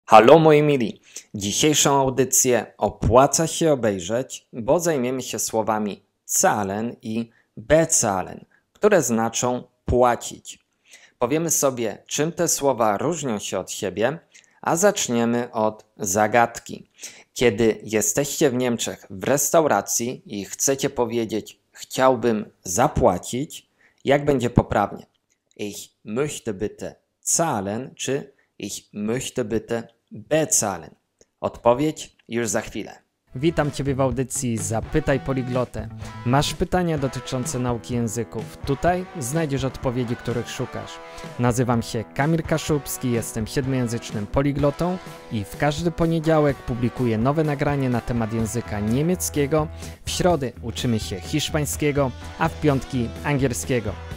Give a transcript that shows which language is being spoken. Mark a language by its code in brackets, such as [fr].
[pl] Halo moi mili, dzisiejszą audycję opłaca się obejrzeć, bo zajmiemy się słowami calen i becalen, które znaczą płacić. Powiemy sobie, czym te słowa różnią się od siebie, a zaczniemy od zagadki. Kiedy jesteście w Niemczech w restauracji i chcecie powiedzieć, chciałbym zapłacić, jak będzie poprawnie? [de] Ich möchte bitte zahlen, czy ich möchte bitte bezahlen. [pl] Odpowiedź już za chwilę. Witam Ciebie w audycji Zapytaj Poliglotę. Masz pytania dotyczące nauki języków? Tutaj znajdziesz odpowiedzi, których szukasz. Nazywam się Kamil Kaszubski, jestem siedmiojęzycznym poliglotą i w każdy poniedziałek publikuję nowe nagranie na temat języka niemieckiego, w środy uczymy się hiszpańskiego, a w piątki angielskiego.